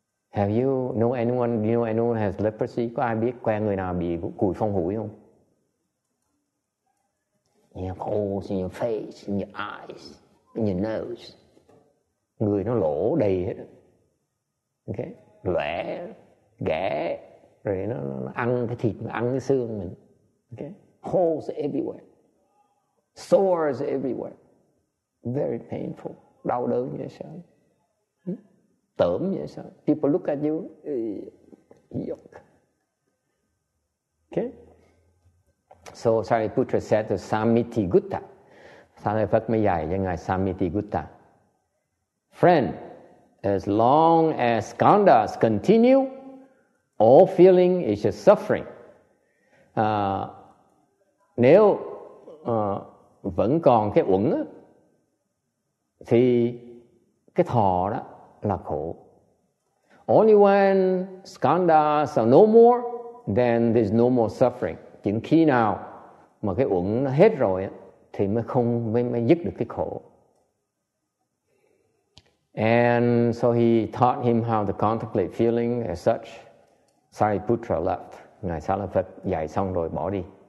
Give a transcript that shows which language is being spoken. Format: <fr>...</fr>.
<en>Have you know anyone? Do you know anyone has leprosy?</en> <vi>Có ai biết quen người nào bị cùi phong hủi không?</vi> <en>You have holes in your face, in your eyes, in your nose.</en> <vi>Người nó lỗ đầy hết. Okay. Lẻ, ghẻ. Rồi nó ăn cái thịt, nó ăn cái xương mình.</vi> <en>Okay. Holes everywhere. Sores everywhere. Very painful.</en> <vi>Đau đớn như sao. Tởm như sao.</vi> <en>People look at you. Yuck. Okay. So Sariputra said to Samitigutta.</en> <vi>Sariputra mới dạy cho ngài Samitigutta.</vi> <en>Friend, as long as skandhas continue, all feeling is just suffering.</en> <vi>Nếu vẫn còn cái uẩn á, thì cái thọ đó là khổ.</vi> <en>Only when skandhas are no more, then there's no more suffering.</en> <vi>Chừng khi nào mà cái uẩn nó hết rồi á, thì mới không mới dứt được cái khổ.</vi> <en>And so he taught him how to contemplate feeling as such. Sariputra left.</en> <vi>Ngài Xá Lợi Phất dạy xong rồi bỏ đi.</vi>